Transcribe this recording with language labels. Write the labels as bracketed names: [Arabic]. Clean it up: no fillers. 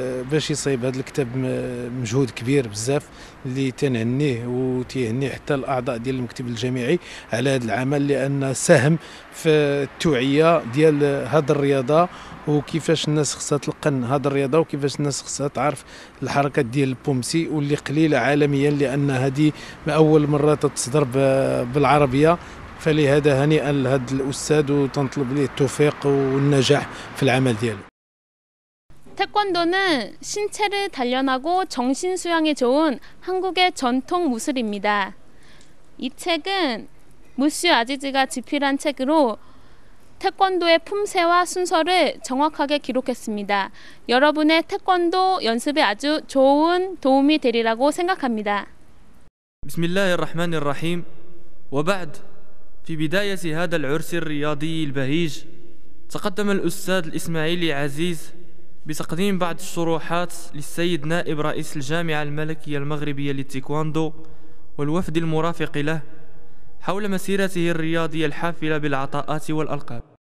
[Arabic] باش يصيب هذا الكتاب، مجهود كبير بزاف اللي تنهنيه وتهني حتى الأعضاء ديال المكتب الجامعي على هذا العمل، لأن ساهم في التوعية ديال هذا الرياضة وكيفاش الناس خصها تلقن هذا الرياضة وكيفاش الناس خصها تعرف الحركة ديال البومسي، واللي قليلة عالميا لأن هذه أول مرة تتصدر بالعربية. فلهذا هنيئا لهذا الأستاذ وتنطلب ليه التوفيق والنجاح في العمل دياله. [Korean] 태권도는 신체를 단련하고 정신 수양에 좋은 한국의 전통 무술입니다. 이 책은 무슈 아지즈가 집필한 책으로 태권도의 품새와 순서를 정확하게 기록했습니다. 여러분의 태권도 연습에 아주 좋은 도움이 되리라고 생각합니다. [Arabic] بسم الله الرحمن الرحيم. وبعد، في بداية هذا العرس الرياضي البهيج، تقدم الأستاذ الإسماعيلي عزيز بتقديم بعض الشروحات للسيد نائب رئيس الجامعة الملكية المغربية للتايكواندو والوفد المرافق له حول مسيرته الرياضية الحافلة بالعطاءات والألقاب.